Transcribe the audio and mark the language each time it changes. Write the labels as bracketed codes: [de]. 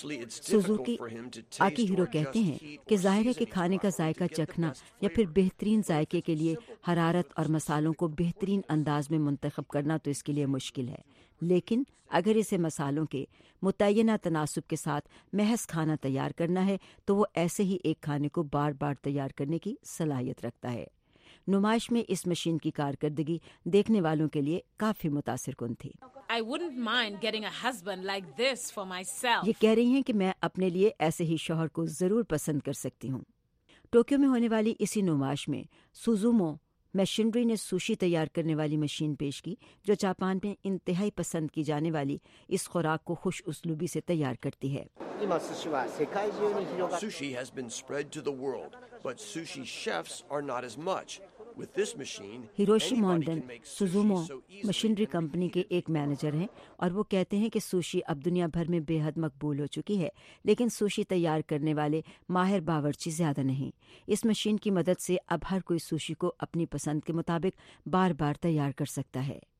[ur] Suzuki آکی hero کہتے ہیں کہ ظاہر ہے کہ کھانے کا ذائقہ چکھنا یا پھر بہترین ذائقے کے لیے حرارت اور مسالوں کو بہترین انداز میں منتخب کرنا تو اس کے لیے مشکل ہے, لیکن اگر اسے مسالوں کے متعینہ تناسب کے ساتھ محض کھانا تیار کرنا ہے تو وہ ایسے ہی ایک کھانے کو بار بار تیار کرنے کی صلاحیت رکھتا ہے. نمائش میں اس مشین کی کارکردگی دیکھنے والوں کے لیے کافی متاثر کن تھی. [en] I wouldn't mind getting a husband like this for myself. [ur] یہ کہہ رہی ہیں کہ میں اپنے لیے ایسے ہی شوہر کو ضرور پسند کر سکتی ہوں. ٹوکیو میں ہونے والی اسی نمائش میں سوزومو مشینری نے سوشی تیار کرنے والی مشین پیش کی جو جاپان میں انتہائی پسند کی جانے والی اس خوراک کو خوش اسلوبی سے تیار کرتی ہے. [en] Sushi has been spread to the world, but sushi chefs are not as much. [ur] Hiroshi مونڈن سوزومو machinery company کے ایک مینیجر ہیں اور وہ کہتے ہیں کہ سوشی اب دنیا بھر میں بے حد مقبول ہو چکی ہے, لیکن سوشی تیار کرنے والے ماہر باورچی زیادہ نہیں. اس مشین کی مدد سے اب ہر کوئی سوشی کو اپنی پسند کے مطابق بار بار تیار کر سکتا ہے.